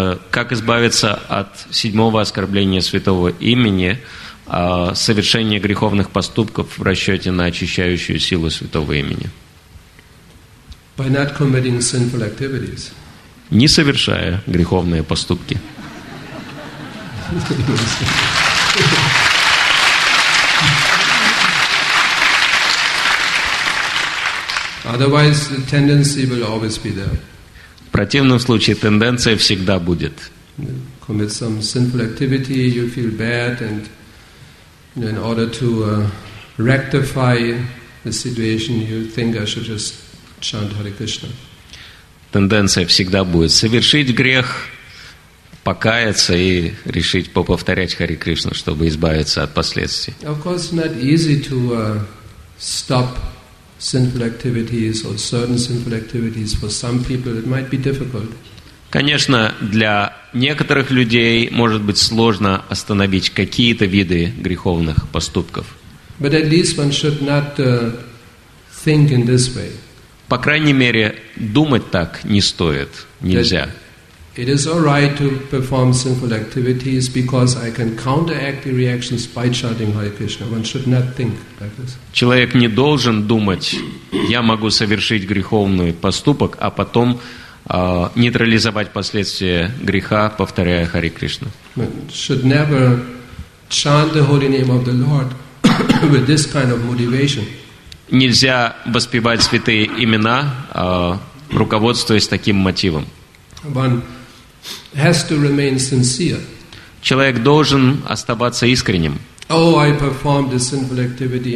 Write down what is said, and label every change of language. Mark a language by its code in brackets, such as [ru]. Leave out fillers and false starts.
[ru] Как избавиться от седьмого оскорбления Святого Имени, совершения греховных поступков в расчете на очищающую силу Святого Имени? [en] By not committing sinful activities. [ru] Не совершая греховные поступки. [en] Otherwise, the tendency will always be there. [ru] В противном случае тенденция всегда будет. [en] Commit some sinful activity, you feel bad, and in order to rectify the situation, you think I should just chant Hare Krishna. [ru] Тенденция всегда будет совершить грех, покаяться и решить повторять Хари Кришну, чтобы избавиться от последствий. [en] Of course, it's not easy to stop sinful activities or certain sinful activities for some people it might be difficult. [ru] Конечно, для некоторых людей может быть сложно остановить какие-то виды греховных поступков. [en] But at least one should not think in this way. [ru] По крайней мере, думать так не стоит, нельзя. [en] It is all right to perform sinful activities because I can counteract the reactions by chanting Hare Krishna. One should not think like this. [ru] Человек не должен думать, я могу совершить греховный поступок, а потом нейтрализовать последствия греха, повторяя Хари Кришну. [en] Should never chant the holy name of the Lord with this kind of motivation. [ru] Нельзя воспевать святые имена, руководствуясь таким мотивом. [en] Has to remain sincere. [ru] Человек должен оставаться искренним. [en] Oh, I performed a sinful activity.